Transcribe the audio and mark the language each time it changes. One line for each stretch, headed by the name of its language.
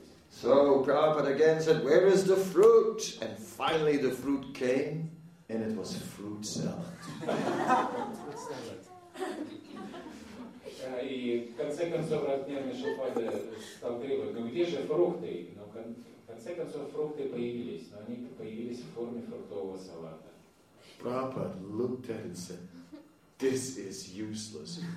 English: So Prabhupada again said, where is the fruit? And finally the fruit came, and it was fruit salad.
Russian: И в конце концов размерный шелпаде стал требовать, ну где же фрукты? Но в конце концов фрукты появились, но они появились в форме фруктового салата.
English: Prabhupada looked at it and said, this is useless.